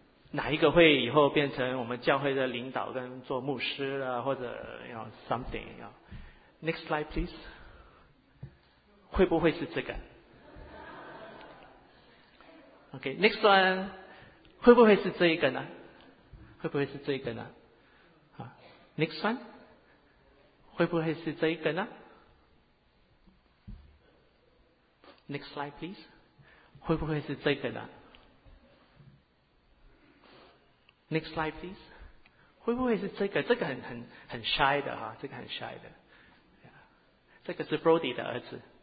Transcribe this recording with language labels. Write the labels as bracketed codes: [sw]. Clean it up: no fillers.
[zh] 哪一个会以后变成我们教会的领导，跟做牧师啊，或者要 something 啊 ？ [en] Next slide please。 [zh] 会不会是这个 ？ [en] OK，next one， [zh] 会不会是这一个呢？会不会是这一个呢？ [en] Next one， [zh] 会不会是这一个呢 ？ [en] Next slide, please。 [zh] 会不会是这个呢 ？ [en] Next slide, please。 [zh] 会不会是这个？这个很 shy 的哈，这个很 shy 的。这个是 Brody 的儿子。